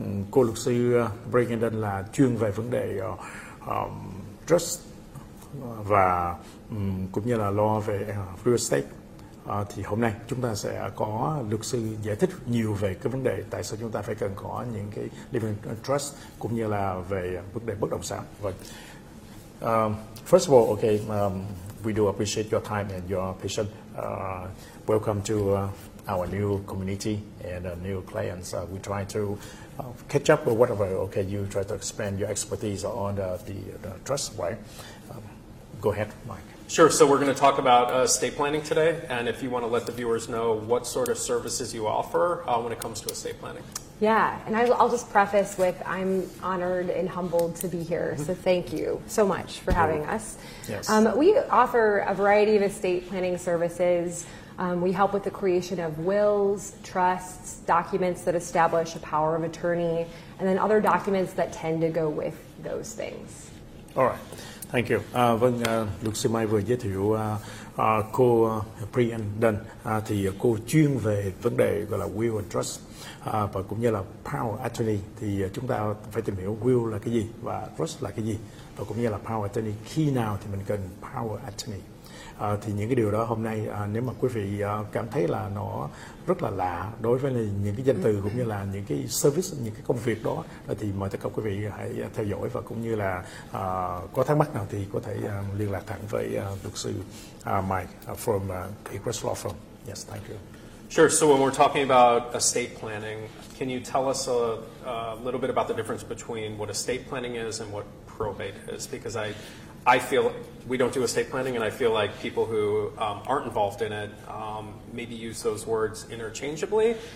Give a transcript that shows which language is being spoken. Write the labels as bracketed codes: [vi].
[vi] Cô luật sư Brianne Dunn là chuyên về vấn đề trust và cũng như là lo về real estate. Thì hôm nay chúng ta sẽ có luật sư giải thích nhiều về cái vấn đề tại sao chúng ta phải cần có những cái living trust cũng như là về vấn đề bất động sản. [en] First of all, okay, we do appreciate your time and your patience. Welcome to our new community and new clients. We try to catch up with whatever, okay, you try to expand your expertise on the trust, right? Go ahead, Mike. Sure, so we're gonna talk about estate planning today, and if you wanna let the viewers know what sort of services you offer when it comes to estate planning. Yeah, and I'll just preface with I'm honored and humbled to be here, so thank you so much for having us. Yes. We offer a variety of estate planning services. We help with the creation of wills, trusts, documents that establish a power of attorney, and then other documents that tend to go with those things. All right. Thank you. [vi] Vâng, luật sư Mai vừa giới thiệu cô Brianne Dunn, thì cô chuyên về vấn đề gọi là will and trust và cũng như là power attorney. Thì chúng ta phải tìm hiểu will là cái gì và trust là cái gì và cũng như là power attorney. Khi nào thì mình cần power attorney? Thì những cái điều đó hôm nay nếu mà quý vị cảm thấy là nó rất là lạ đối với những cái danh từ cũng như là những cái service, những cái công việc đó thì mời tất cả quý vị hãy theo dõi và cũng như là có thắc mắc nào thì có thể liên lạc thẳng với luật sư Mike [en] from Agruss Law Firm. Yes, thank you. Sure, so when we're talking about estate planning, can you tell us a little bit about the difference between what estate planning is and what probate is? Because I feel we don't do estate planning, and I feel like people who aren't involved in it maybe use those words interchangeably.